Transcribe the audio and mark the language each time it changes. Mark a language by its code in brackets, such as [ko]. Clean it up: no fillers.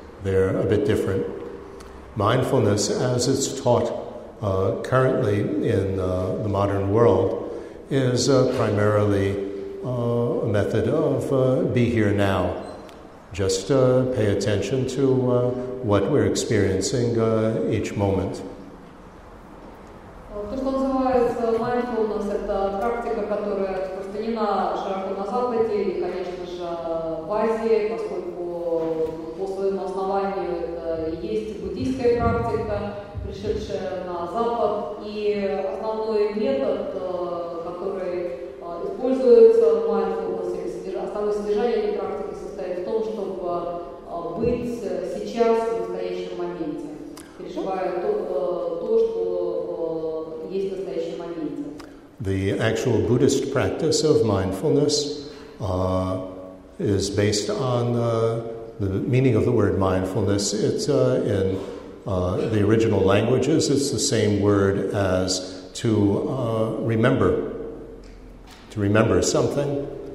[en] They're a bit different. Mindfulness, as it's taught currently in the modern world, is primarily a method of be here now. Just pay attention to what we're experiencing each moment. [ru] Тут называется mindfulness, это практика, которая распространена широко на Западе и, конечно же, в Азии, поскольку по своему основанию это есть буддийская практика, пришедшая на Запад. И основной метод, который используется в mindfulness, основное содержание этой практики состоит в том, чтобы быть сейчас в настоящем моменте, переживая то, что есть в настоящем моменте. [en] The actual Buddhist practice of mindfulness is based on the meaning of the word mindfulness. It's in the original languages, it's the same word as to remember something.